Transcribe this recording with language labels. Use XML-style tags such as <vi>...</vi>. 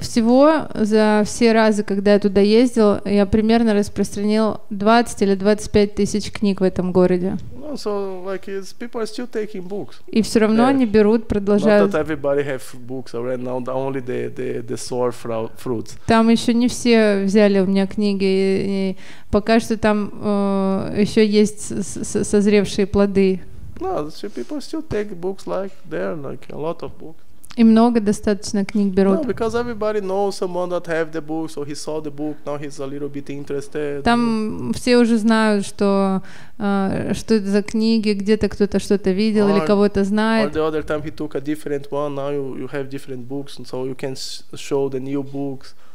<ru>Всего за все разы, когда я туда ездил, я примерно распространил 20,000 или 25,000 книг в этом городе.</ru> <en>No, so like it's people are still taking books.</en> <ru>И все равно они берут, продолжают.</ru> <en>Not that everybody have books already now, only the sour fruits.</en> <ru>Там еще не все взяли у меня книги, и пока что там еще есть созревшие плоды.</ru> <en>No, so people still take books like there, like a lot of books.</en> <ru>И много достаточно книг берут.</ru> <en>No, because everybody knows someone that have the book, so he saw the book, now he's a little bit interested.</en> <ru>Там все уже знают, что что это за книги, где-то кто-то что-то видел или кого-то знает.</ru> <en>Or the other time he took a different one, now you, you have different books, and so you can show the new books.</en>